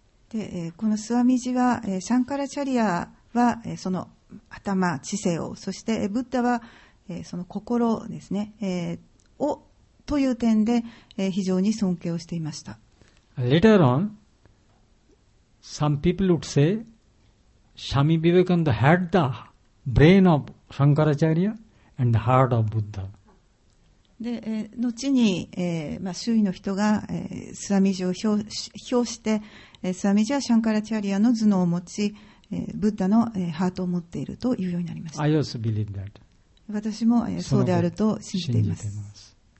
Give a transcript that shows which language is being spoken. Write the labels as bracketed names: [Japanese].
[Japanese] で、このスワミジは、シャンカラチャリアは、その頭、知性を、そして、ブッダは、その心ですね、をという点で、非常に尊敬をしていました。 [English] Later on, some people would say, Swami Vivekananda had the brain of Shankaracharya. And the heart of Buddha. [Japanese] で、後に、まあ、周囲の人が、スワミジを評して、スワミジはシャンカラチャリアの頭脳を持ち、ブッダの、ハートを持っているというようになりました。 [English] I also believe that. [Japanese] 私も、そうであると信じています。